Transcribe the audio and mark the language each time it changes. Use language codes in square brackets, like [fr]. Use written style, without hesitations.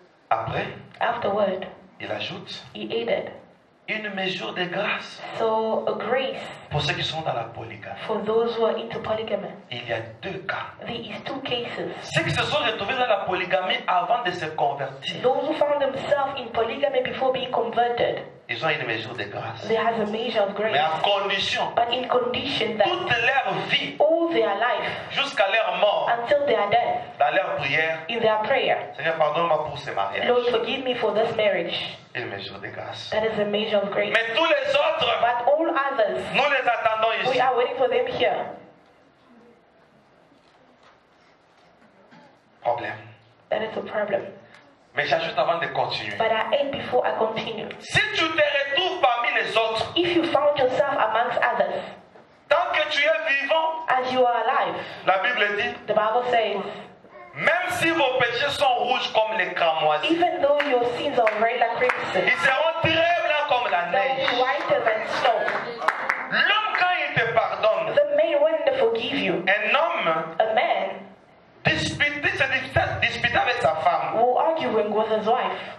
[fr] Après. [en] Afterward. [fr] Il ajoute. [en] He added. [fr] Une mesure de grâce. [en] So a grace. [fr] Pour ceux qui sont dans la polygamie, [en] for those who are into polygamy, [fr] il y a deux cas. [en] There is two cases. [fr] Ceux qui se sont retrouvés dans la polygamie avant de se convertir. [en] Those who found themselves in polygamy before being converted. [fr] Ils ont une mesure de grâce. [en] They have a measure of grace. [fr] Mais en condition. [en] But in condition that [fr] toute leur vie, [en] all their life, [fr] jusqu'à leur mort, [en] until they are dead, [fr] dans leur prière, [en] in their prayer, [fr] Seigneur, pardonne-moi pour ce mariage. [en] Lord, forgive me for this marriage. [fr] Une mesure de grâce. [en] That is a measure of grace. [fr] Mais tous les autres, [en] but all others, [fr] nous les attendons ici. [en] We are waiting for them here. [fr] Problème. [en] That is a problem. [fr] Mais j'ajoute avant de continuer. [en] But I end before I continue. [fr] Si tu te retrouves parmi les autres, [en] if you found yourself amongst others, [fr] tant que tu es vivant, [en] as you are alive, [fr] la Bible dit, [en] the Bible says, [fr] même si vos péchés sont rouges comme les cramoisis, [en] even though your sins are red like crimson, [fr] ils seront très blancs comme la neige, [en] they will be whiter than snow. [fr] L'homme quand il te pardonne, [en] the man when they forgive you, [fr] un homme, [en] a man, [fr] disputer avec sa femme. [en] Who arguing with his wife?